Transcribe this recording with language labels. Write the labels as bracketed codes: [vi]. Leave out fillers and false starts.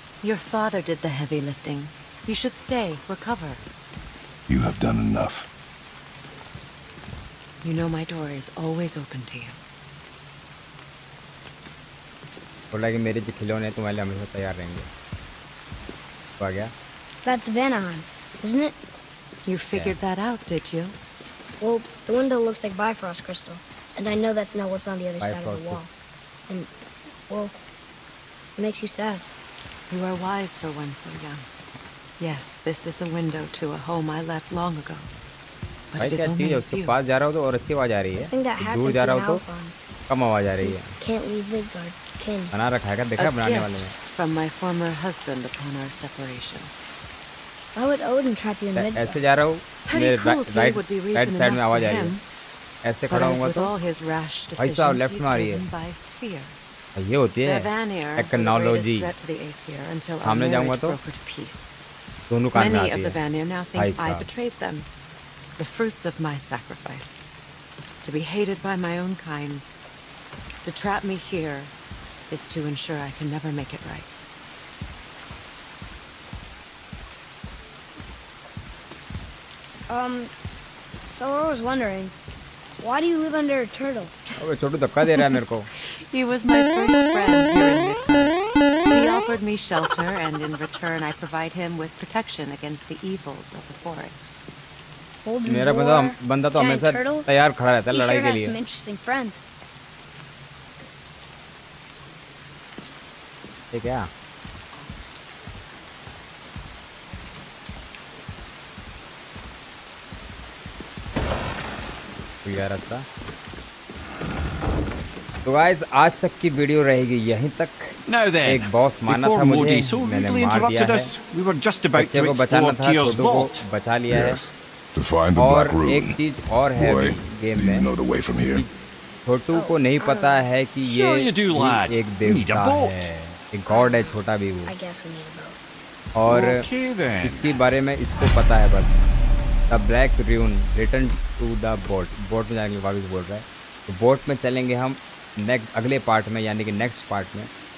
[en] Your father did the heavy lifting. You should stay, recover. You have done enough. You know my door is always open to you. [hi] बोला कि मेरे जो खिलौने हैं तुम्हारे लिए हमेशा तैयार रहेंगे। आ गया। [en] That's Venon, isn't it? You figured that out, did you? Well, the window looks like Bifrost crystal, and I know that's not what's on the other side of the wall. And well, it makes you sad. You are wise for one so young. Yes, this is a window to a home I left long ago. But it is only [hi] उसके पास जा रहा हूँ तो और अच्छी आवाज आ रही है। दूर जा रहा हूँ तो कम आवाज आ रही है। [en] Can't leave Midgard. [hi] बना रखा है देखा बनाने वाले ने। [en] From my former husband upon our separation. I would Odin trap you in Midgard. [hi] ऐसे जा रहा हूँ मेरे राइट साइड में आवाज आ रही है। ऐसे खड़ा हूँगा तो भाई साहब लेफ्ट में आ रही है। ये होती है टेक्नोलॉजी. सामने जाऊंगा तो दोनों कान में आती है. [en] I betrayed them, the fruits of my sacrifice, to be hated by my own kind. To trap me here is to ensure I can never make it right. So I was wondering, why do you live under a turtle? [hi] अबे छोटू धक्का दे रहा है मेरे को. [en] He was my first friend. He offered me shelter, and in return, I provide him with protection against the evils of the forest. [hi] मेरा बंदा तो हमेशा तैयार खड़ा रहता है लड़ाई के लिए. [en] He sure has some interesting friends. [hi] ठीक है. तो गाइस आज तक की वीडियो रहेगी यहीं तक. एक बॉस माना था मुझे, मैंने मार दिया है. [en] We were just about to explore Tears Vault. [hi] बच्चे को बचाना था, तो बचा लिया है. [en] Yes, to find the black room. [hi] और एक चीज और है गेम में. [en] Do you know the way from here? [hi] छोटू को नहीं पता है कि ये एक देवता है, एक गॉड है छोटा भी वो. और इसकी बारे में इसको पता है बस. [en] The black rune return to the boat. [hi] Boat में जाएंगे वापस बोल रहा है. तो बोट में चलेंगे हम अगले पार्ट में, यानी कि नेक्स्ट पार्ट में.